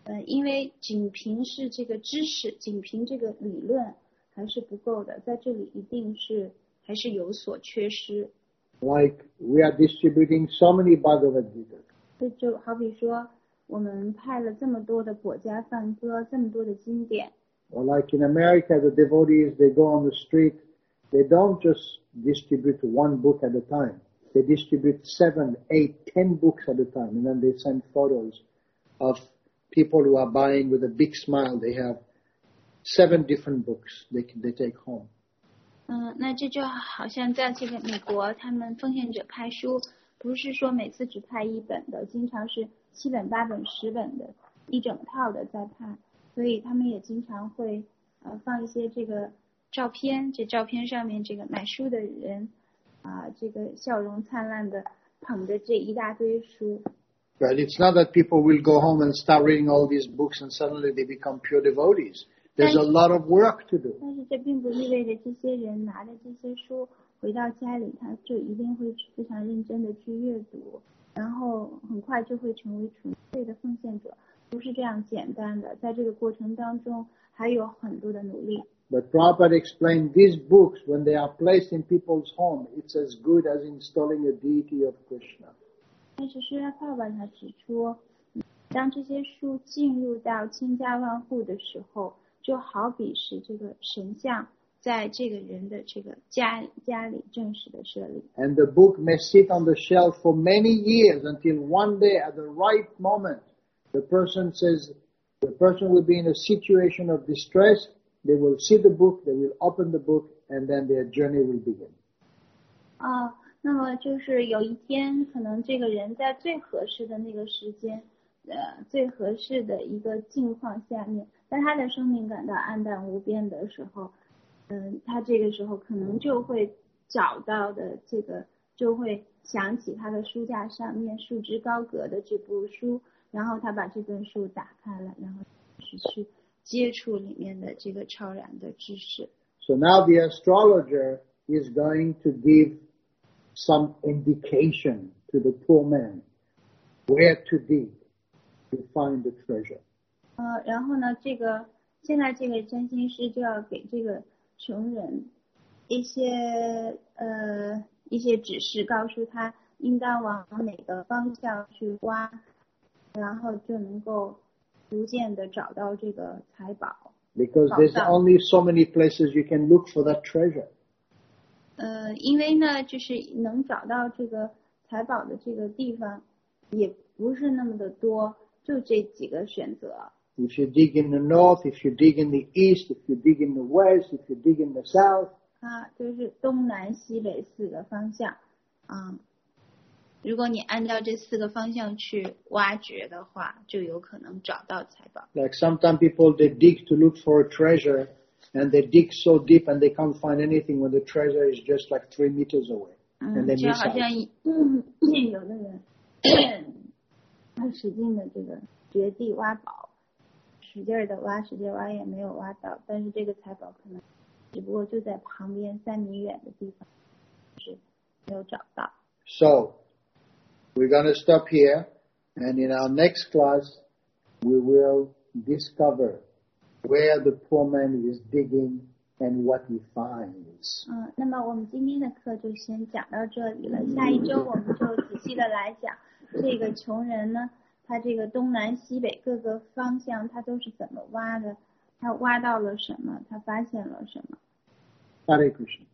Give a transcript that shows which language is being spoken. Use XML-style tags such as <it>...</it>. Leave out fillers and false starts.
<zh>因为仅凭是这个知识，仅凭这个理论还是不够的，在这里一定是还是有所缺失。</zh> <en>Like we are distributing so many Bhagavad Gita.</en> <zh>这就好比说，我们派了这么多的果迦梵歌，这么多的经典。</zh> <en>Or like in America, the devotees, they go on the street, they don't just distribute one book at a time. They distribute 7, 8, 10 books at a time, and then they send photos of people who are buying with a big smile. They have 7 different books they take home.</en> <zh>那这就好像在这个美国，他们奉献者派书，不是说每次只派一本的，经常是7本、8本、10本的，一整套的在派。所以他们也经常会放一些这个照片，这照片上面这个买书的人这个笑容灿烂的捧着这一大堆书。</zh> <en>But it's not that people will go home and start reading all these books and suddenly they become pure devotees. There's a lot of work to do.</en> <zh>但是这并不意味着这些人拿着这些书回到家里，他就一定会非常认真的去阅读，然后很快就会成为纯粹的奉献者。不是这样简单的，在这个过程当中还有很多的努力。</zh> <en>But Prabhupada explained these books, when they are placed in people's home, it's as good as installing a deity of Krishna.</en> <zh>但是释迦牟尼佛他指出，当这些书进入到千家万户的时候，就好比是这个神像在这个人的这个家里正式的设立。</zh> <en>And the book may sit on the shelf for many years until one day at the right moment. The person says, the person will be in a situation of distress, they will see the book, they will open the book, and then their journey will begin.</en> <zh>那么就是有一天可能这个人在最合适的那个时间最合适的一个境况下面，在他的生命感到暗淡无边的时候，他这个时候可能就会找到的这个，就会想起他的书架上面束之高阁的这部书，然后他把这本书打开了，然后去接触里面的这个超然的知识。</zh> <en>So now the astrologer is going to give some indication to the poor man where to dig to find the treasure.</en> <zh>然后呢，这个现在这个占星师就要给这个穷人一些指示，告诉他应当往哪个方向去挖。然后就能够逐渐的找到这个财宝。</zh> <en>Because there's only so many places you can look for that treasure.</en> <zh>因为呢，就是能找到这个财宝的这个地方，也不是那么的多，就这几个选择。</zh> <en>If you dig in the north, if you dig in the east, if you dig in the west, if you dig in the south.</en> <zh>啊，就是东南西北四个方向。嗯，如果你按照这四个方向去挖掘的话，就有可能找到财宝。</zh> <en>Like sometimes people they dig to look for a treasure, and they dig so deep and they can't find anything when the treasure is just like 3 meters away.</en> <zh>嗯，就好像有的人他使劲的这个掘地挖宝，使劲的挖，使劲挖也没有挖到，但是这个财宝可能只不过就在旁边3米远的地方，是。</zh> <en>So, we're going to stop here, and in our next class, we will discover where the poor man is digging and what he finds.</en> <zh>嗯，那么我们今天的课就先讲到这里了。下一周我们就仔细的来讲这个穷人呢，他这个东南西北各个方向他都是怎么挖的，他挖到了什么，他发现了什么。</zh> <sa>Hare Krishna.</sa>